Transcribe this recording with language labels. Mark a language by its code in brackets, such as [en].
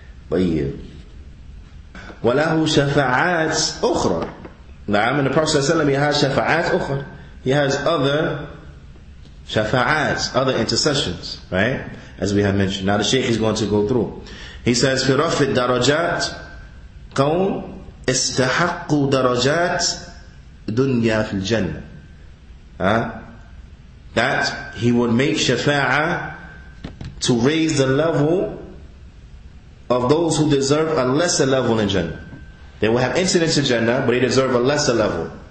[ar] وله شفاعات أخرى. نعم. [en] And the Prophet صلى الله عليه وسلم, he has [ar] شفاعات أخرى. [en] He has other شفاعات, other intercessions, right? As we have mentioned. Now the Shaykh is going to go through. He says, [ar] في رفع الدرجات قوم استحقوا درجات دنيا في الجنة. [en] That he would make شفاعة to raise the level of those who deserve a lesser level in Jannah. They will have incidents in Jannah, but they deserve a lesser level.